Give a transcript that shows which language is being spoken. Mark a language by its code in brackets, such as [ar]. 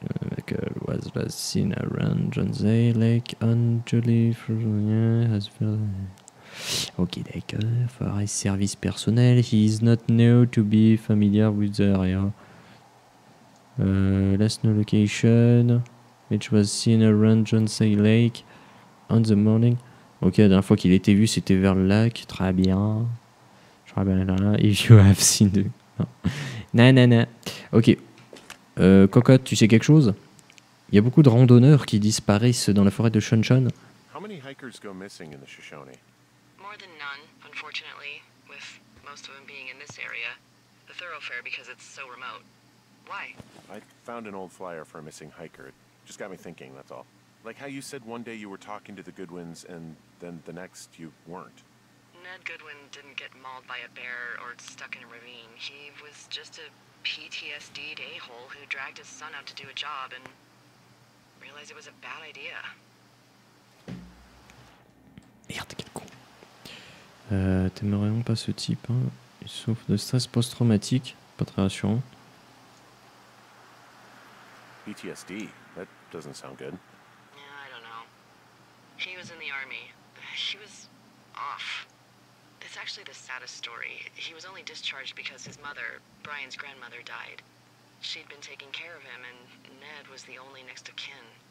[en] Michael was last seen around John Zay Lake on July 1st. [fr] Ok, d'accord. [en] Forest service personnel. He is not known to be familiar with the area. Last known location. Mitch was seen around John Zay Lake on the morning. [fr] Ok, la dernière fois qu'il était vu, c'était vers le lac. Très bien. Très bien. [en] If you have seen the... [fr] Nanana. Ok. Cocotte, tu sais quelque chose? Il y a beaucoup de randonneurs qui disparaissent dans la forêt de Shoshone. [en] How many hikers go missing in the Shoshone? More than none, unfortunately, with most of them being in this area. The thoroughfare, because it's so remote. Why? I found an old flyer for a missing hiker. It just got me thinking, that's all. Like how you said one day you were talking to the Goodwins, and then the next you weren't. Ned Goodwin didn't get mauled by a bear or stuck in a ravine. He was just a PTSD'd a-hole who dragged his son out to do a job and realized it was a bad idea. [fr] Merde, quel con. T'aimerais pas ce type, hein. Il souffre de stress post-traumatique. Pas très rassurant. [en] PTSD, that doesn't sound good. Yeah, I don't know. He was in the army. He was off. It's actually the saddest story. He was only discharged because his mother, Brian's grandmother, died. She'd been taking care of him, and Ned was the only next of kin.